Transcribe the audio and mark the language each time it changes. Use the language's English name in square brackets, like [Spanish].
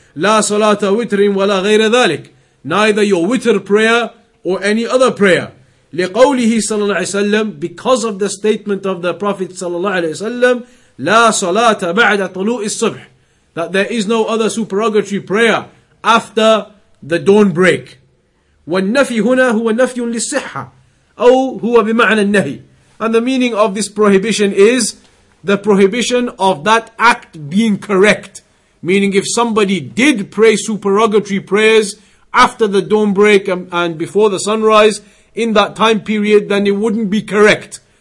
[Arabic] لا صلاة وتر ولا غير ذلك. [English] Neither your witr prayer or any other prayer. [Arabic] لقوله صلى الله عليه وسلم, [English] because of the statement of the Prophet [Arabic] صلى الله عليه وسلم, لا صلاة بعد طلوع الصبح. [English] That there is no other supererogatory prayer after the dawn break. [Arabic] والنفي هنا هو نفي للصحة أو هو بمعنى النهي. [English] And the meaning of this prohibition is the prohibition of that act being correct. Meaning if somebody did pray supererogatory prayers after the dawn break and before the sunrise in that time period, then it wouldn't be correct.